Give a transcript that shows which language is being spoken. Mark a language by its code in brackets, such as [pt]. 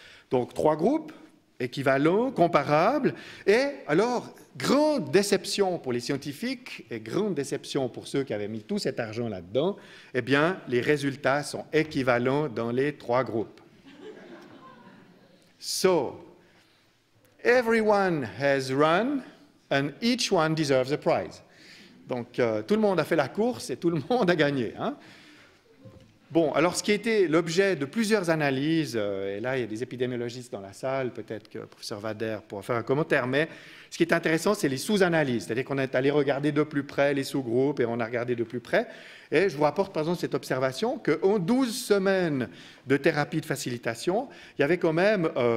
[fr] Donc, 3 groupes équivalents, comparables, et alors, grande déception pour les scientifiques et grande déception pour ceux qui avaient mis tout cet argent là-dedans, eh bien, les résultats sont équivalents dans les 3 groupes. [en] So, everyone has run and each one deserves a prize. [fr] Donc, tout le monde a fait la course et tout le monde a gagné, hein? Bon, alors ce qui a été l'objet de plusieurs analyses, et là il y a des épidémiologistes dans la salle, peut-être que le professeur Vader pourra faire un commentaire, mais ce qui est intéressant, c'est les sous-analyses, c'est-à-dire qu'on est allé regarder de plus près les sous-groupes et on a regardé de plus près, et je vous rapporte par exemple cette observation qu'en 12 semaines de thérapie de facilitation, il y avait quand même